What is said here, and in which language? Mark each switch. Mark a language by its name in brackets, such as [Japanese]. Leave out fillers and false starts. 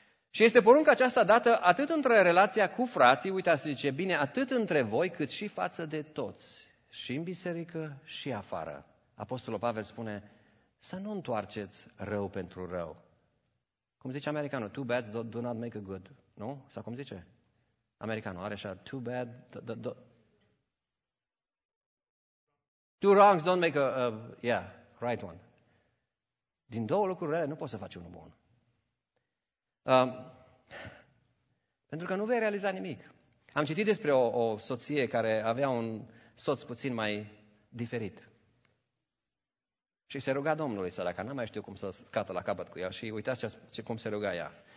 [Romanian] Și este porunca aceasta dată atât între relația cu frații, uitați, zice, bine, atât între voi, cât și față de toți. Și în biserică, și afară. Apostolul Pavel spune, să nu întoarceți rău pentru rău. Cum zice americanul, [English] too bad do not make a good, [Romanian] nu? Sau cum zice? Americanul are așa, [English] too bad, two wrongs don't make a right one. [Romanian] Din două lucruri rele nu poți să faci unul bun. Pentru că nu vei realiza nimic. Am citit despre o soție care avea un soț puțin mai diferit. Și se ruga Domnului săraca, n-am mai știut cum să scată la capăt cu ea și uitați cum se ruga ea.